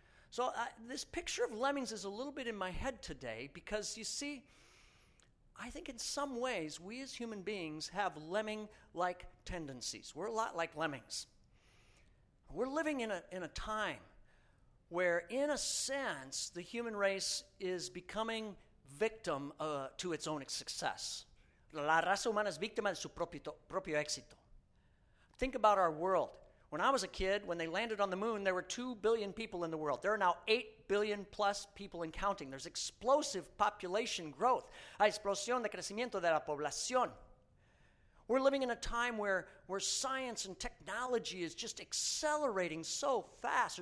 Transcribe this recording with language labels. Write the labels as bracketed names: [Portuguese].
[English] So this picture of lemmings is a little bit in my head today because, you see, I think in some ways we as human beings have lemming-like tendencies. We're a lot like lemmings. We're living in a time where, in a sense, the human race is becoming victim to its own success. [Spanish] La raza humana es víctima de su propio éxito. [English] Think about our world. When I was a kid, when they landed on the moon, there were 2 billion people in the world. There are now 8 billion plus people and counting. There's explosive population growth. [Spanish] Hay explosión de crecimiento de la población. [English] We're living in a time where science and technology is just accelerating so fast.